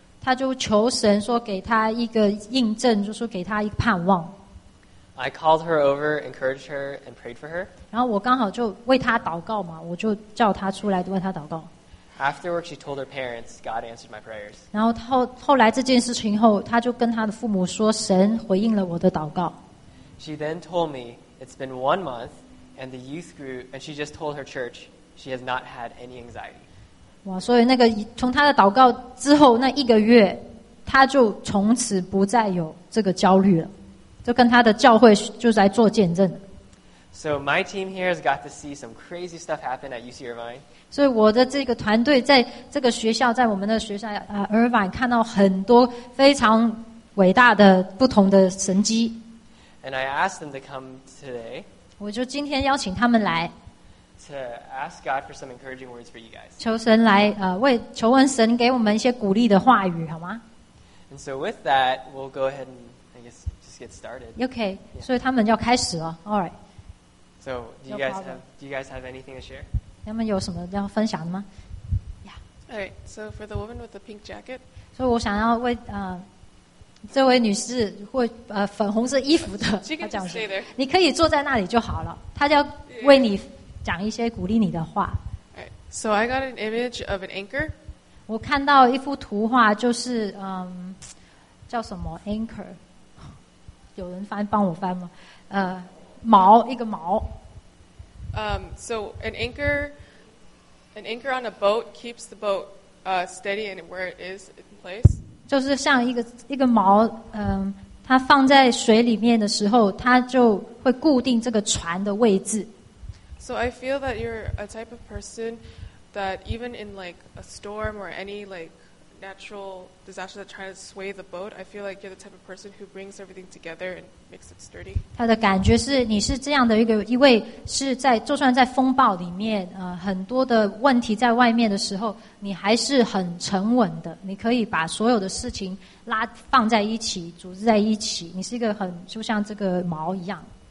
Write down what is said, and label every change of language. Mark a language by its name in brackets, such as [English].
[Chinese] 他就求神说给他一个印证，就说给他一个盼望。 [English] I called her over, encouraged her, and prayed for her. [Chinese] 然后我刚好就为他祷告嘛，我就叫他出来为他祷告。 [English] Afterward, she told her parents, God answered my prayers. [Chinese] 然后后来这件事情后，她就跟她的父母说，神回应了我的祷告。 [English] She then told me it's been 1 month, and the youth group, and she just told her church she has not had any anxiety. [Chinese] 哇，所以那个从她的祷告之后那一个月，她就从此不再有这个焦虑了，就跟她的教会就在做见证。 [English] So my team here has got to see some crazy stuff happen at UC Irvine. [Chinese] 所以我的这个团队在这个学校，在我们的学校Irvine 看到很多非常伟大的不同的神迹。 [English] And I asked them to come today. [Chinese] 我就今天邀请他们来。 [English] To ask God for some encouraging words for you guys. [Chinese] 求神来求问神给我们一些鼓励的话语，好吗？ [English] And so with that, we'll go ahead and I guess just get started. Okay, yeah. [Chinese] 所以他们要开始了。 [English] All right. So, do you guys have anything to share? [Chinese] 他们有什么要分享的吗？ [English] Yeah. All right. So for the woman with the pink jacket. [Chinese] 所以我想要为这位女士或粉红色衣服的要讲什么？你可以坐在那里就好了。她要为你讲一些鼓励你的话。 [English] Right. So I got an image of an anchor. [Chinese] 我看到一幅图画，就是叫什么 anchor？有人翻帮我翻吗？锚，一个锚。 [English] So an anchor on a boat keeps the boat steady and where it is in place. [Chinese] 就是像一个锚，它放在水里面的时候，它就会固定这个船的位置。 [English] So I feel that you're a type of person that even in like a storm or any like natural disaster that tries to sway the boat, I feel like you're the type of person who brings everything together and makes it sturdy. [Chinese] 他的感觉是你是这样的一位是在就算在风暴里面很多的问题在外面的时候，你还是很沉稳的，你可以把所有的事情拉放在一起，组织在一起，你是一个很就像这个锚一样。